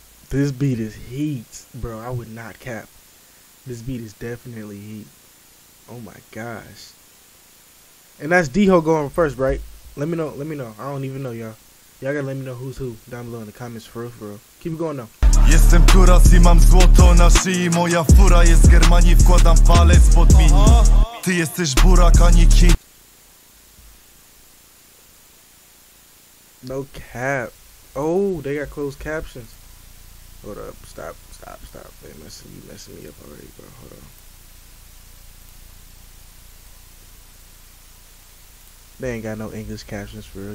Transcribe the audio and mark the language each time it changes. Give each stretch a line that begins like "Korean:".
English: This beat is heat, bro. I would not cap. This beat is definitely heat. Oh my gosh. And that's Diho going first, right? Let me know. I don't even know, y'all. Y'all gotta let me know who's who down below in the comments for real, for real. Keep it going, though.
Polish: Jestem kuras i mam złoto na szyi. Moja fura jest z Germanii. Wkładam palec pod mini. Ty jesteś burak, a nie king.
English: No cap. Oh, they got closed captions. Hold up. Stop. You messing me up already, bro. Hold on. They ain't got no English captions for real.